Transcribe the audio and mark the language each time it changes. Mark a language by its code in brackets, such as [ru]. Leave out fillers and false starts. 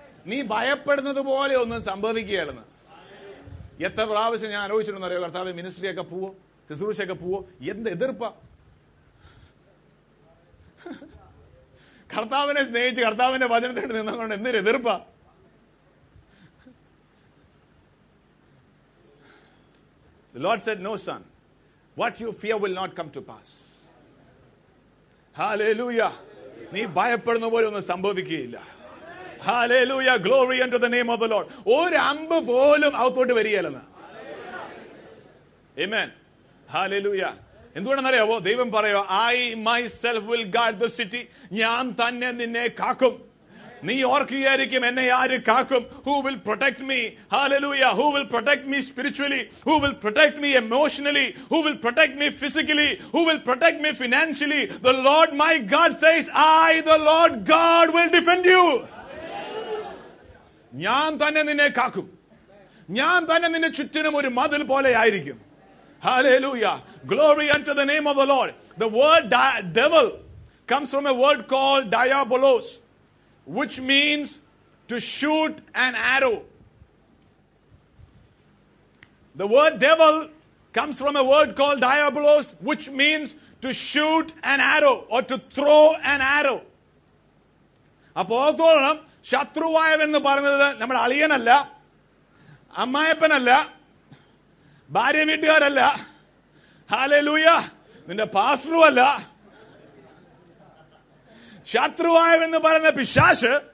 [ml] നീ ഭയപ്പെടുന്നത് പോലെ ഒന്നും സംഭവിക്കുകയല്ലെന്ന്. എത്ര പ്രാവശ്യം ഞാൻ ആലോചിച്ചിട്ടുണ്ടെന്ന് അറിയാവോ, കർത്താവ് മിനിസ്ട്രിയൊക്കെ പോവോ, ശുശ്രൂഷയൊക്കെ പോവോ, എന്ത് എതിർപ്പ. കർത്താവിനെ സ്നേഹിച്ച് കർത്താവിന്റെ വചനത്തിൽ നിന്നുകൊണ്ട് എന്തൊരു എതിർപ്പ. [en] The Lord said, no son, what you fear will not come to pass. Hallelujah. [ml] നീ ഭയപ്പെടുന്ന പോലെ ഒന്നും സംഭവിക്കുകയില്ല. Hallelujah. [en] Glory unto the name of the Lord. [ml] ഒരു അമ്പ് പോലും അകത്തോട്ട് വരികയില്ലെന്ന്. [en] Amen. Hallelujah. [ml] എന്തുകൊണ്ടെന്നറിയാവോ? ദൈവം പറയോ, [en] I myself will guard the city. [ml] ഞാൻ തന്നെ നിന്നെ കാക്കും. നീ ഓർക്കുകയായിരിക്കും, എന്നെ ആര് കാക്കും? [en] Who will protect me? [ml] Hallelujah. [en] Who will protect me spiritually? Who will protect me emotionally? Who will protect me physically? Who will protect me financially? The lord my god says, I the lord god will defend you. [ml] ഞാൻ തന്നെ നിന്നെ കാക്കും. ഞാൻ തന്നെ നിന്റെ ചുറ്റിനും ഒരു മതിൽ പോലെ ആയിരിക്കും. [en] Hallelujah. Glory unto the name of the Lord. The word devil comes from a word called diabolos, which means to shoot an arrow. The word devil comes from a word called diabolos, which means to shoot an arrow or to throw an arrow. [ml] Appo thoranam shatruvayam ennu parayunnathu nammal aliyanalla, ammayappanalla, ഭാര്യ വീട്ടുകാരല്ല, hallelujah, നിന്റെ പാസ്റ്ററുമല്ല, ശത്രുവായവെന്ന് പറയുന്ന പിശാച്.